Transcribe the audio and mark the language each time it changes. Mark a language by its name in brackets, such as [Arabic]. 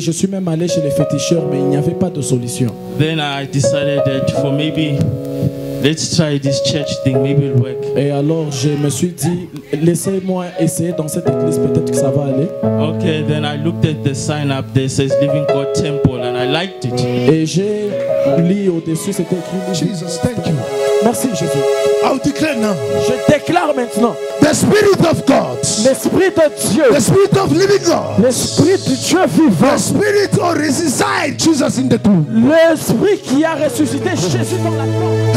[French] Je suis même allé chez les féticheurs, mais il n'y avait pas de solution. [English] Then I decided that for maybe let's try this church thing. Maybe it'll work. [French] Et alors je me suis dit, laissez-moi essayer dans cette église. Peut-être que ça va aller. [English] Okay. Then I looked at the sign up there. It says Living God Temple, and I liked it. [French] Et j'ai lu au-dessus, c'était écrit. [English] Jesus, thank you. [French] Merci Jésus. [English] I'll declare now. [French] Je déclare maintenant. [English] The Spirit of God. [French] L'Esprit de Dieu. [English] The Spirit of Living God. [French] L'Esprit du Dieu vivant. [English] The Spirit who resuscitated Jesus in the tomb. [French] L'Esprit qui a ressuscité Jésus dans la tombe.